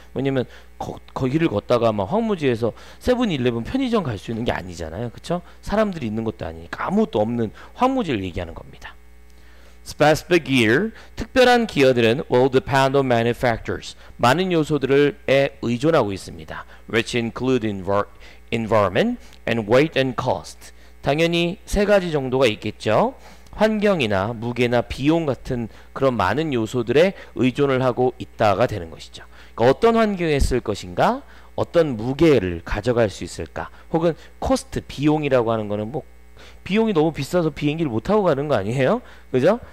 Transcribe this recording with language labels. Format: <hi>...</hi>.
<ko>왜냐면 거기를 걷다가 막 황무지에서 세븐일레븐 편의점 갈수 있는 게 아니잖아요, 그렇죠? 사람들이 있는 것도 아니니까 아무것도 없는 황무지를 얘기하는 겁니다.</ko> <en>Specific gear,</en> <ko>특별한 기어들은</ko> <en>will depend on manufacturers,</en> <ko>많은 요소들에 의존하고 있습니다.</ko> <en>Which include environment and weight and cost.</en> <ko>당연히 세 가지 정도가 있겠죠. 환경이나 무게나 비용 같은 그런 많은 요소들에 의존을 하고 있다가 되는 것이죠. 그러니까 어떤 환경에 쓸 것인가? 어떤 무게를 가져갈 수 있을까? 혹은 코스트, 비용이라고 하는 거는 뭐 비용이 너무 비싸서 비행기를 못 타고 가는 거 아니에요? 그죠?</ko>